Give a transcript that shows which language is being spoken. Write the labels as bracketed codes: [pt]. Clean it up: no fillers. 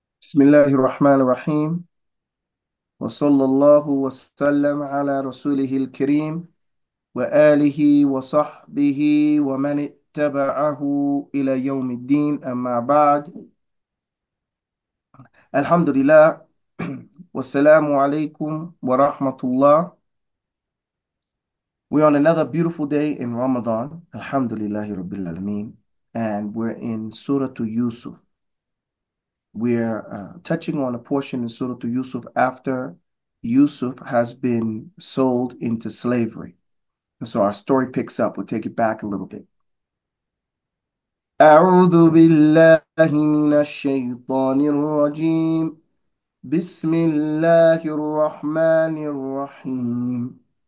[ar] بسم الله الرحمن الرحيم، وصلى الله وسلم على رسوله الكريم وآله وصحبه ومن اتبعه إلى يوم الدين. أما بعد، الحمد لله والسلام عليكم ورحمة الله. [en] We're on another beautiful day in Ramadan. [ar] الحمد لله رب العالمين. [en] And we're in Surah Yusuf. We're touching on a portion in Surah Yusuf after Yusuf has been sold into slavery. And so our story picks up. We'll take it back a little bit. [ar] أعوذ بالله من الشيطان الرجيم. بسم الله الرحمن الرحيم.